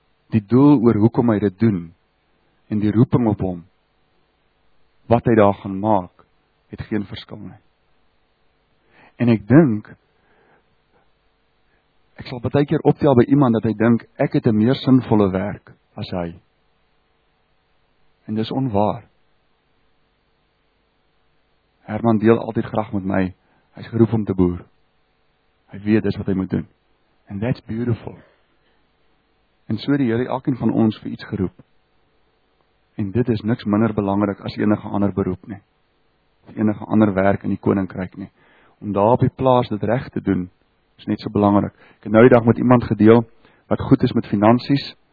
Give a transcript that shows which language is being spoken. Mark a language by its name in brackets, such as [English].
[Afrikaans] Die doel oor hoekom hy dit doen, en die roeping op hom, wat hy daar gaan maak, het geen verskil nie. En ek dink, ek sal baie keer optel by iemand, dat hy dink, ek het 'n meer sinvolle werk, as hy. En dis onwaar. Herman deel altyd graag met my, hy is geroep om te boer. Hy weet, dis wat hy moet doen. [English] And that's beautiful. [Afrikaans] En so die Here elkeen van ons vir iets geroep. En dit is niks minder belangrik as enige ander beroep nie. As enige ander werk in die koninkryk nie. Om daar op die plaas dit reg te doen, is net so belangrik. Ek het nou die dag met iemand gedeel, wat goed is met finansies.